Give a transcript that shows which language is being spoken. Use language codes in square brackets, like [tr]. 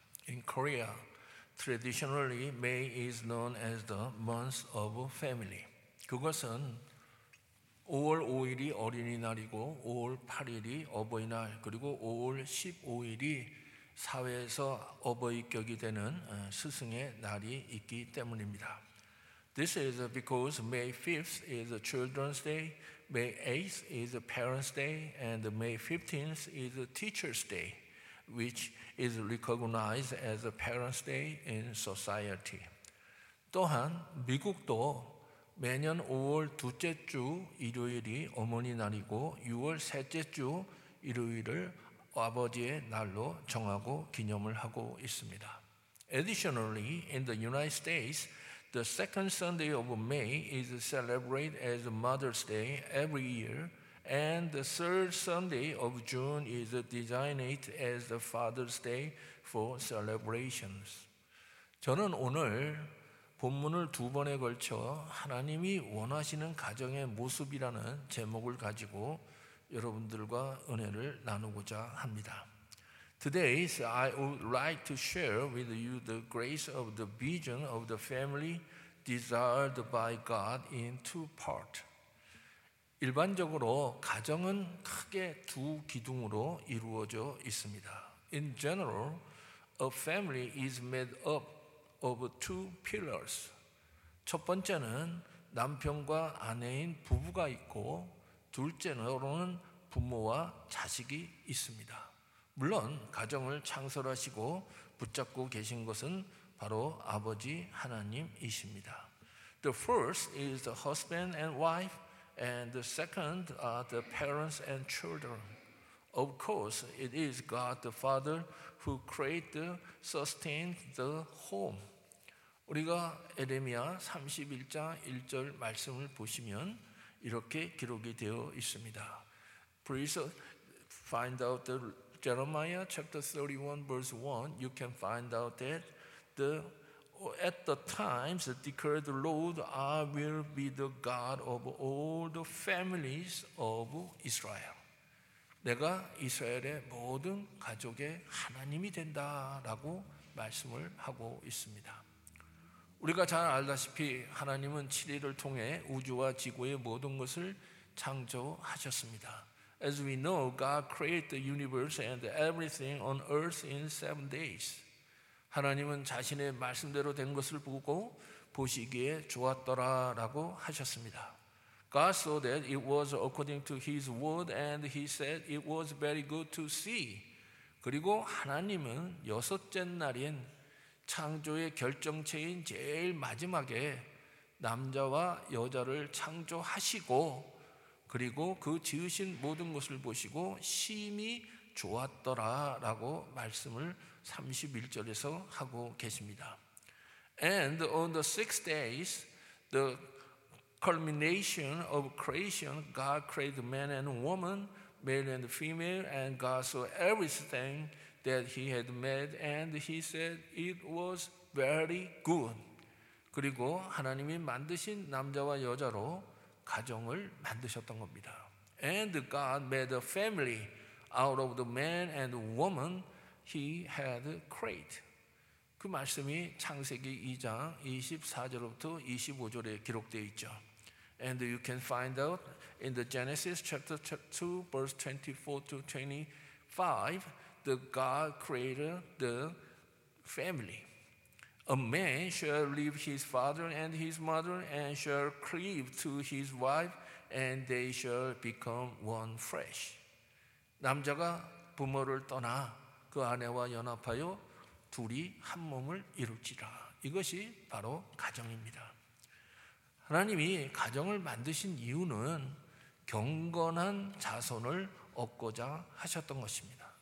[en] In Korea, traditionally, May is known as the month of family. [ko] 그것은 5월 5일이 어린이날이고 5월 8일이 어버이날 그리고 5월 15일이 사회에서 어버이격이 되는 스승의 날이 있기 때문입니다. [en] This is because May 5th is a Children's Day, May 8th is a Parents' Day, and May 15th is a Teacher's Day, which is recognized as a Parents' Day in society. [ko] 또한 미국도 매년 5월 둘째 주 일요일이 어머니 날이고 6월 셋째 주 일요일을 아버지의 날로 정하고 기념을 하고 있습니다. [en] Additionally, in the United States, the second Sunday of May is celebrated as Mother's Day every year, and the third Sunday of June is designated as the Father's Day for celebrations. [ko] 저는 오늘 본문을 두 번에 걸쳐 하나님이 원하시는 가정의 모습이라는 제목을 가지고 여러분들과 은혜를 나누고자 합니다. [en] Today, I would like to share with you the grace of the vision of the family desired by God in two parts. [ko] 일반적으로 가정은 크게 두 기둥으로 이루어져 있습니다. [en] In general, a family is made up of two pillars. [ko] 첫 번째는 남편과 아내인 부부가 있고 둘째로는 부모와 자식이 있습니다. 물론 가정을 창설하시고 붙잡고 계신 것은 바로 아버지 하나님이십니다. [en] The first is the husband and wife, and the second are the parents and children. Of course, it is God the Father who created, sustained the home. [ko] 우리가 예레미야 31장 1절 말씀을 보시면 이렇게 기록이 되어 있습니다. [en] Please find out the Jeremiah chapter 31 verse 1. You can find out that at the times declared the Lord, I will be the God of all the families of Israel. [ko] 내가 이스라엘의 모든 가족의 하나님이 된다라고 말씀을 하고 있습니다. 우리가 잘 알다시피 하나님은 7일을 통해 우주와 지구의 모든 것을 창조하셨습니다. [en] As we know, God created the universe and everything on earth in 7 days. [ko] 하나님은 자신의 말씀대로 된 것을 보고 보시기에 좋았더라라고 하셨습니다. [en] God saw that it was according to his word and he said it was very good to see. [ko] 그리고 하나님은 여섯째 날인 창조의 결정체인 제일 마지막에 남자와 여자를 창조하시고 그리고 그 지으신 모든 것을 보시고 심히 좋았더라라고 말씀을 31절에서 하고 계십니다. [en] And on the sixth days, the culmination of creation, God created man and woman, male and female, and God saw everything that he had made, and he said it was very good. [ko] 그리고 하나님이 만드신 남자와 여자로 가정을 만드셨던 겁니다. [en] And God made a family out of the man and woman he had created. [ko] 그 말씀이 창세기 2장 24절부터 25절에 기록되어 있죠. [en] And you can find out in the Genesis chapter 2 verse 24 to 25 the God created the family. A man shall leave his father and his mother and shall cleave to his wife and they shall become one flesh. [ko] 남자가 부모를 떠나 그 아내와 연합하여 둘이 한 몸을 이룰지라. 이것이 바로 가정입니다. 하나님이 가정을 만드신 이유는 경건한 자손을 얻고자 하셨던 것입니다.